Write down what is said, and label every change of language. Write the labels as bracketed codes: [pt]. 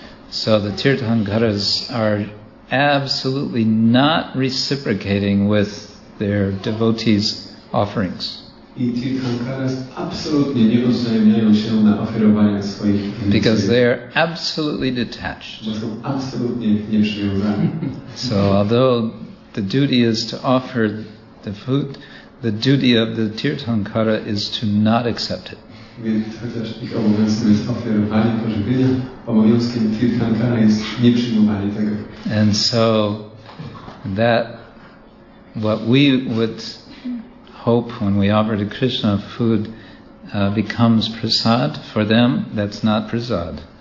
[en] So the Tirthankaras are absolutely not reciprocating with their devotees' offerings. [pl] I Tirthankaras absolutnie nie uznajmiają się na oferowanie swoich pieniędzy. [en] Because they are absolutely detached. [pl] Bo są absolutnie nieprzywiązani. [en] So although the duty is to offer the food, the duty of the Tirthankara is to not accept it. [pl] Więc ich obowiązkiem jest oferowanie pożywienia, obowiązkiem Tirthankara jest nieprzyjmowanie tego. [en] And so that what we would hope when we offer to Krishna food becomes prasad for them, that's not prasad.